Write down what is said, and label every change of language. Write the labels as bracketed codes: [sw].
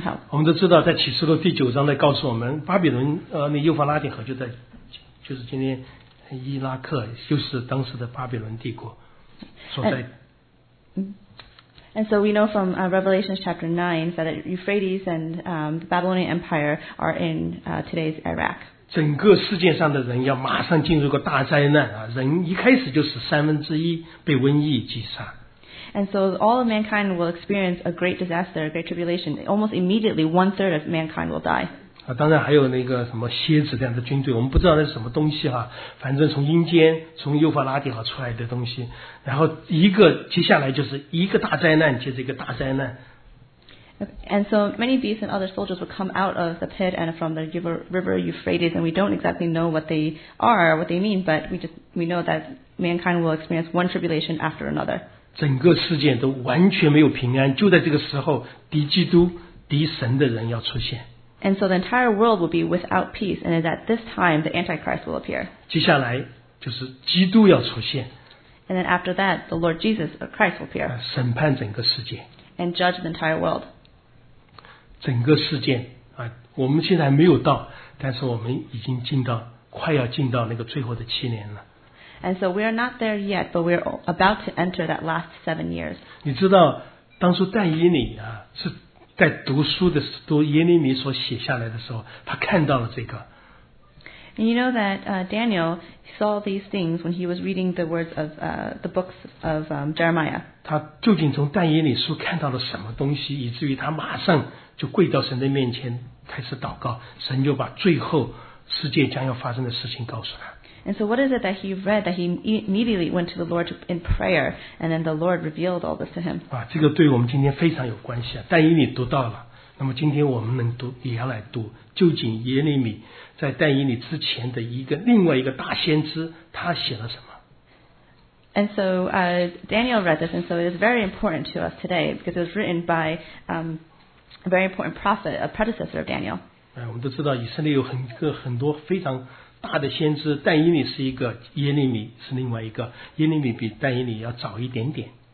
[zh] 我们都知道，在启示录第九章在告诉我们，巴比伦那幼发拉底河就是今天伊拉克，就是当时的巴比伦帝国所在。 [en] And so we know from Revelation chapter 9 that Euphrates and the Babylonian Empire are in today's Iraq. [zh] 整个世界上的人要马上进入一个大灾难啊！人一开始就是三分之一被瘟疫击杀。 [en] And so all of mankind will experience a great disaster, a great tribulation. Almost immediately, one third of mankind will die. [zh] 啊，当然还有那个什么蝎子这样的军队，我们不知道那是什么东西哈。反正从阴间，从幼发拉底河出来的东西，然后一个接下来就是一个大灾难，接着一个大灾难。 [en] And so many beasts and other soldiers will come out of the pit and from the river Euphrates, and we don't exactly know what they are, what they mean, but we know that mankind will experience one tribulation after another. [zh] 整个世界都完全没有平安，就在这个时候，敌基督、敌神的人要出现。 [en] And so the entire world will be without peace, and at this time, the Antichrist will appear. [zh] 接下来就是基督要出现。 [en] And then after that, the Lord Jesus Christ will appear. [zh] 审判整个世界。 [en] And judge the entire world. [zh] 整个世界啊，我们现在还没有到，但是我们已经快要进到那个最后的七年了。 [en] And so we are not there yet, but we are about to enter that last 7 years. [zh] 你知道，当初但以理啊是。在读书的时候，读耶利米所写下来的时候，他看到了这个。 [en] And you know that Daniel saw these things when he was reading the words of the books of Jeremiah. [zh] 他究竟从但以理书看到了什么东西，以至于他马上就跪到神的面前开始祷告，神就把最后世界将要发生的事情告诉他。 [en] And so, what is it that he read that he immediately went to the Lord in prayer, and then the Lord revealed all this to him? [zh] 啊，这个对我们今天非常有关系啊。但以理读到了，那么今天我们能读，也要来读。究竟耶利米在但以理之前的另外一个大先知，他写了什么 [en] ？And so, Daniel read this, and so it is very important to us today because it was written by a very important prophet, a predecessor of Daniel. [zh] 哎，我们都知道以色列有很多非常。大的先知，但以理是一个，耶利米是另外一个，耶利米比但以理要早一点点。